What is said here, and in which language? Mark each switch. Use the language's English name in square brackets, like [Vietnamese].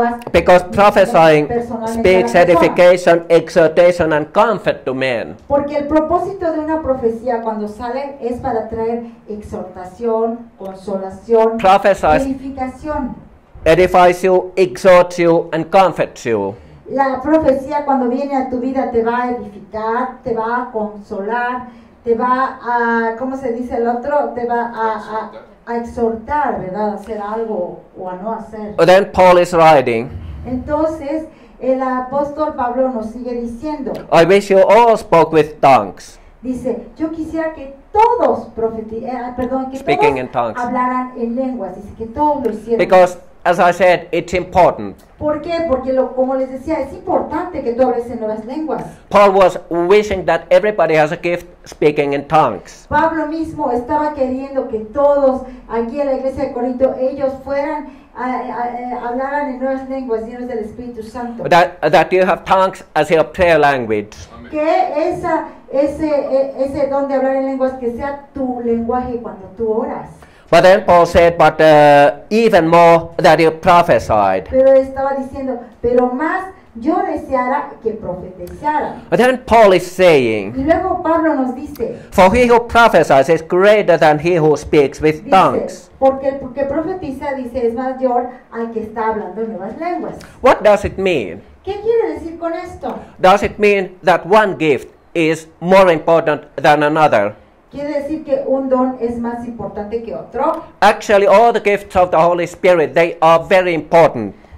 [English] Because prophesying speaks edification, exhortation, and comfort to men. [Spanish] Porque el propósito de una profecía cuando sale es para traer exhortación, consolación, edificación. [English] Edifies you, exhorts you, and comforts you. [Spanish] La profecía cuando viene a tu vida te va a edificar, te va a consolar, te va a, ¿cómo se dice el otro? Te va a exhortar, ¿verdad? A hacer algo o a no hacer. [English] But then Paul is writing. [Spanish] Entonces, el apóstol Pablo nos sigue diciendo. [English] I wish you all spoke with tongues. [Spanish] Dice, yo quisiera que todos [English] speaking in tongues. [Spanish] Hablaran en lenguas. Dice que todos lo hicieran. [English] Because, as I said, it's important. [Spanish] ¿Por qué? Porque, como les decía, es importante que tú hables en nuevas lenguas. [English] Paul was wishing that everybody has a gift speaking in tongues. [Spanish] Pablo mismo estaba queriendo que todos aquí en la iglesia de Corinto, ellos fueran, hablaran en nuevas lenguas, llenos del Espíritu Santo. [English] That you have tongues as your prayer language. Amen. [Spanish] Que ese don de hablar en lenguas, que sea tu lenguaje cuando tú oras. [English] But then Paul said, but even more that you prophesied. [Spanish] Pero estaba diciendo, pero más yo deseara que profetizara. [English] But then Paul is saying, [Spanish] y luego Pablo nos dice, [English] for he who prophesies is greater than he who speaks with [Spanish] dice, [English] tongues. [Spanish] Porque profetiza, dice, es mayor al que está hablando nuevas lenguas. [English] What does it mean? [Spanish] ¿Qué quiere decir con esto? [English] Does it mean that one gift is more important than another? [Spanish] ¿Quiere decir que un don es más importante que otro? [English] Actually, all the gifts of the Holy Spirit, they are very important.